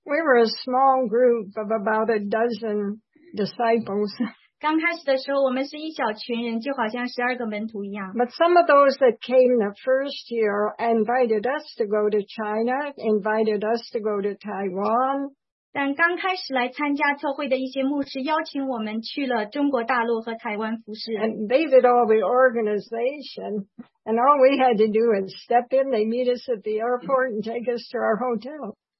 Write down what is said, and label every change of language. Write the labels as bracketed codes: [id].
[en] We were a small group of about a dozen disciples. [zh] 刚开始的时候我们是一小群人，就好像12个门徒一样。 [en] But some of those that came the first year invited us to go to China, invited us to go to Taiwan. [zh] 但刚开始来参加特会的一些牧师邀请我们去了中国大陆和台湾服侍。 [en] And they did all the organization, and all we had to do is step in. They meet us at the airport and take us to our hotel.